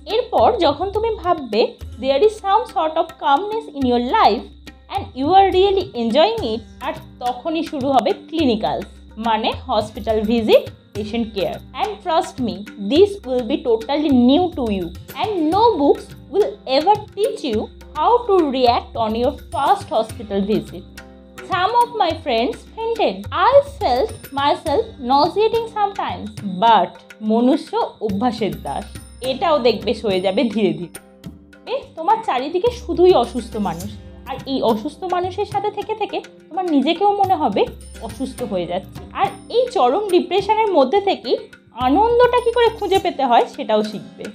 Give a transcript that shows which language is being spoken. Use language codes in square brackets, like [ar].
[bn] এরপর যখন তুমি ভাববে [en] there is some sort of calmness in your life and you are really enjoying it, [bn] আর তখনই শুরু হবে ক্লিনিক্যালস, মানে hospital visit, patient care. [en] And trust me, this will be totally new to you and no books will ever teach you how to react on your first hospital visit. Some of my friends fainted. I felt myself nauseating sometimes. [bn] But মনুষ্য অভ্যাসের দাস, এটাও দেখবে সয়ে যাবে ধীরে ধীরে। তোমার চারিদিকে শুধুই অসুস্থ মানুষ, আর এই অসুস্থ মানুষের সাথে থেকে থেকে তোমার নিজেকেও মনে হবে অসুস্থ হয়ে যাচ্ছে। আর এই চরম ডিপ্রেশনের মধ্যে থেকে আনন্দটা কী করে খুঁজে পেতে হয় সেটাও শিখবে।